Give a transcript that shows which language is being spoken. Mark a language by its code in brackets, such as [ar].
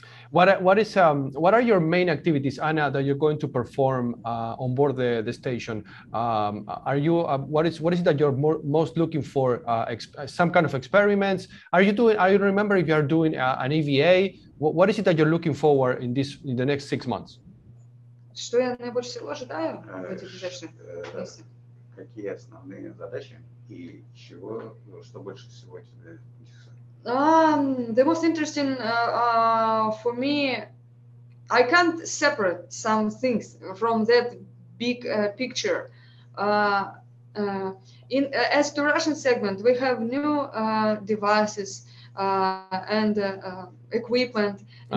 [en] What are your main activities, Anna, that you're going to perform on board the station? What is it that you're most looking for? Some kind of experiments? Are you doing an EVA? What is it that you're looking forward in the next 6 months? [ru] Что я наибольше всего ожидаю в этих ближайших месяцах? Какие основные задачи и чего, что больше всего тебя интересует? [en] The most interesting for me, I can't separate some things from that big picture. As to Russian segment, we have new devices and equipment, uh-huh.